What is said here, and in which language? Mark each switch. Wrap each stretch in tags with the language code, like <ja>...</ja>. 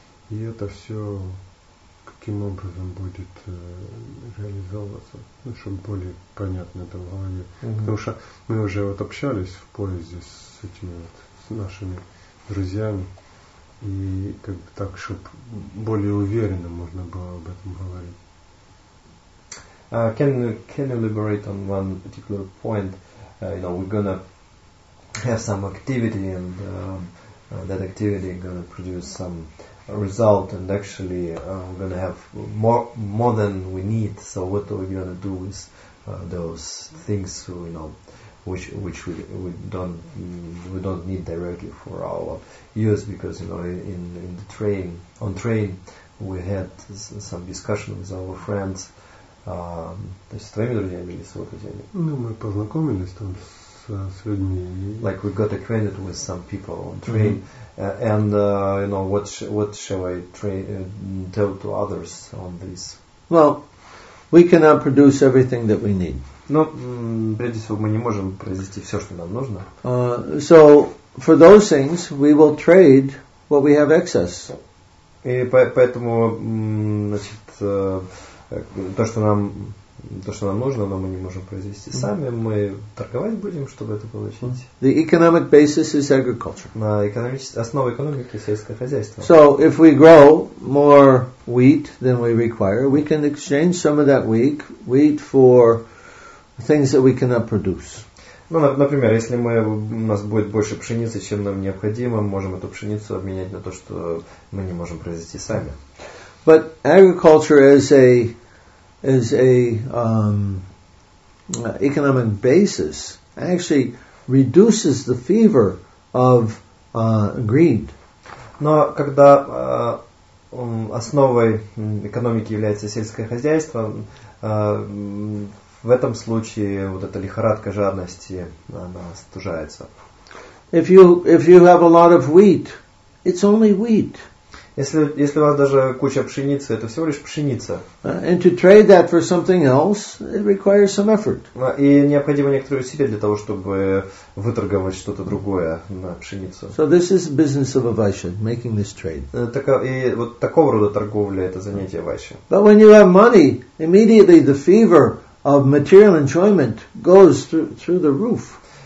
<ru>И это все каким образом будет реализовываться, ну, чтобы более понятно это в голове. Mm-hmm. Потому что мы уже вот общались в поезде с этими вот, с нашими друзьями, и как бы так, чтобы более уверенно можно было об этом говорить.</ru> <en>Can you elaborate on one particular point? You know, we're gonna have some activity, and that activity is gonna produce some result, and actually we're gonna have more than we need. So what are we gonna do with those things? You know, which we don't need directly for our use, because you know, on train we had some discussion with our friends.</en> <ru>То есть с твоими друзьями или с его друзьями? Ну, мы познакомились там с людьми.</ru> <en>Like we got acquainted with some people on train. Mm-hmm. You know, what shall I tell to others on this? Well, we cannot produce everything that we need.</en> <ru>Ну, прежде всего, мы не можем произвести все, что нам нужно.</ru> <en>So, for those things, we will trade what we have excess.</en> <ru>И поэтому, значит, То, что нам нужно, но мы не можем произвести сами, мы торговать будем, чтобы это получить.</ru> <en>The economic basis is agriculture.</en> <ru>Основа экономики — сельское хозяйство.</ru> <en>So if we grow more wheat than we require, we can exchange some of that wheat for things that we cannot produce.</en> <ru>Ну, например, если у нас будет больше пшеницы, чем нам необходимо, мы можем эту пшеницу обменять на то, что мы не можем произвести сами.</ru> <en>But agriculture as a economic basis actually reduces the fever of greed.</en> <ru>Но когда основой экономики является сельское хозяйство, в этом случае вот эта лихорадка жадности, она остужается.</ru> <en>If you have a lot of wheat, it's only wheat.</en> <ru>Если у вас даже куча пшеницы, это всего лишь пшеница.</ru> <en>And to trade that for something else, it requires some effort.</en> <ru>И необходимо некоторые усилия для того, чтобы выторговать что-то другое на пшеницу.</ru> <en>So this is business of a Vaishya, making this trade.</en> <ru>И вот такого рода торговля – это занятие Vaishya.</ru> <en>But when you have money, immediately the fever of material enjoyment goes through the roof.</en>